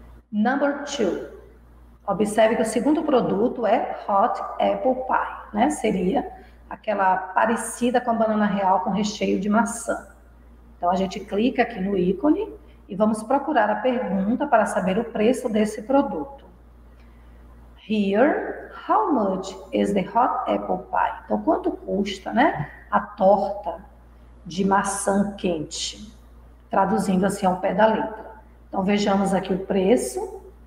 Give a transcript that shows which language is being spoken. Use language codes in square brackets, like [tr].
[en] Number two. [pt] Observe que o segundo produto é hot apple pie, né? Seria aquela parecida com a banana real com recheio de maçã. Então, a gente clica aqui no ícone e vamos procurar a pergunta para saber o preço desse produto. [en] Here, how much is the hot apple pie? [pt] Então, quanto custa, né, a torta de maçã quente? Traduzindo assim ao pé da letra. Então, vejamos aqui o preço.